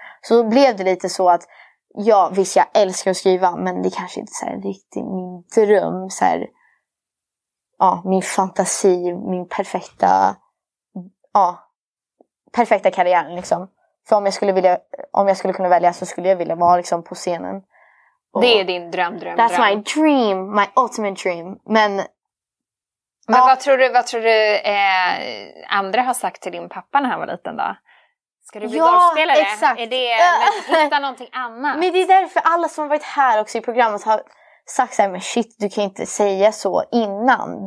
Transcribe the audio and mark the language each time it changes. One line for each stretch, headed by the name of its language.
Swedish: Så då blev det lite så att, ja, visst, jag älskar att skriva, men det kanske inte är riktigt min dröm, så här, ja, min fantasi, min perfekta, ja, perfekta karriär liksom. För om jag skulle kunna välja, så skulle jag vilja vara liksom på scenen. Och det är din dröm.
English: That's my dream, my ultimate dream.
Swedish: Men ja. vad tror du andra har sagt till din pappa när han var liten då? Ska du bli golfspelare? Ja, exakt. Är det att hitta någonting annat? Men det är därför alla som har varit här också i programmet har sagt så här, men shit, du kan inte säga så innan.